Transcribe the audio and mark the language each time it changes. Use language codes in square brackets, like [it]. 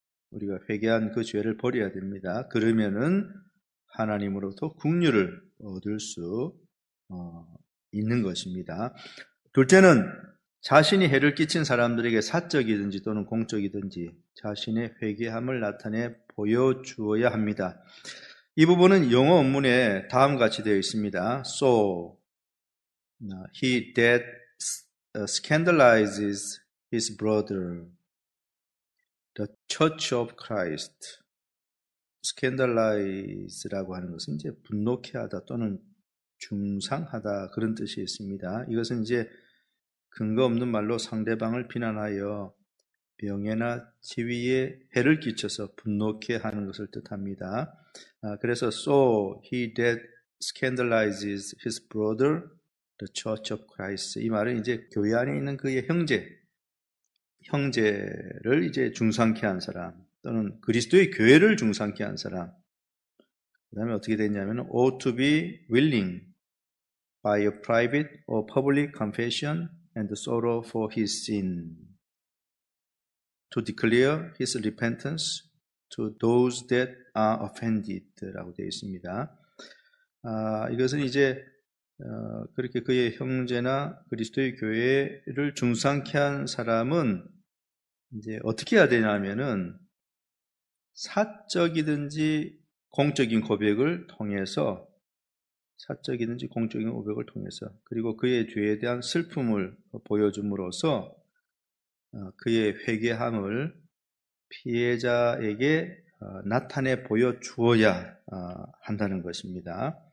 [ko] 우리가 회개한 그 죄를 버려야 됩니다. 그러면은 하나님으로부터 긍휼을 얻을 수 있는 것입니다. 둘째는 자신이 해를 끼친 사람들에게 사적이든지 또는 공적이든지 자신의 회개함을 나타내 보여주어야 합니다. 이 부분은 영어 원문에 다음 같이 되어 있습니다. [en] So, he that scandalizes his brother, the church of Christ. [ko] Scandalize라고 하는 것은 이제 분노케 하다 또는 중상하다 그런 뜻이 있습니다. 이것은 이제 근거 없는 말로 상대방을 비난하여 명예나 지위에 해를 끼쳐서 분노케 하는 것을 뜻합니다. [en] 그래서 So he that scandalizes his brother, the church of Christ. [ko] 이 말은 이제 교회 안에 있는 그의 형제를 이제 중상케 한 사람 또는 그리스도의 교회를 중상케 한 사람. 그 다음에 어떻게 됐냐면 [en] ought to be willing by a private or public confession and sorrow for his sin to declare his repentance to those that are offended [ko] 라고 되어 있습니다. 이것은 이제 그렇게 그의 형제나 그리스도의 교회를 중상케 한 사람은 이제 어떻게 해야 되냐면은 사적이든지 공적인 고백을 통해서 사적이든지 공적인 고백을 통해서 그리고 그의 죄에 대한 슬픔을 보여줌으로써 그의 회개함을 피해자에게 나타내 보여주어야 한다는 것입니다.